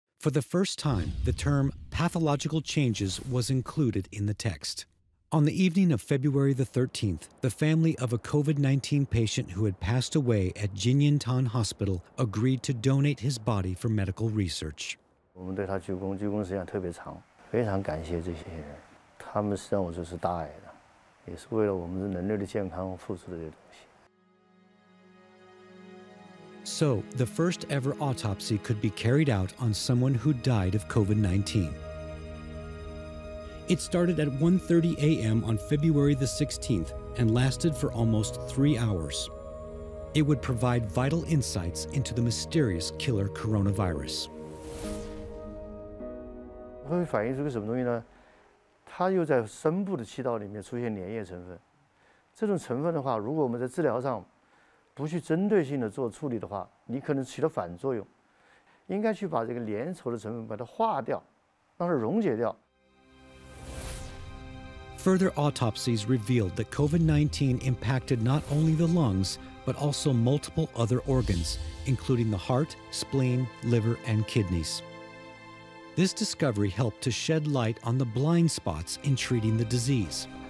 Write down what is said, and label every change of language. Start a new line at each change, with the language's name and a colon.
English: For the first time, the term pathological changes was included in the text. On the evening of February the 13th, the family of a COVID-19 patient who had passed away at Jinyin Tan Hospital agreed to donate his body for medical research.
Chinese: 我们对他鞠躬，鞠躬时间特别长，非常感谢这些人，他们是让我就是大爱的，也是为了我们的人类的健康付出的这些东西。
English: So, the first ever autopsy could be carried out on someone who died of COVID-19. It started at 1:30 a.m. on February the 16th and lasted for almost 3 hours. It would provide vital insights into the mysterious killer coronavirus.
Chinese: 会反映出个什么东西呢？它又在深部的气道里面出现粘液成分，这种成分的话，如果我们在治疗上不去针对性的做处理的话，你可能起了反作用。应该去把这个粘稠的成分把它化掉，让它溶解掉。
English: Further autopsies revealed that COVID-19 impacted not only the lungs but also multiple other organs, including the heart, spleen, liver, and kidneys. This discovery helped to shed light on the blind spots in treating the disease.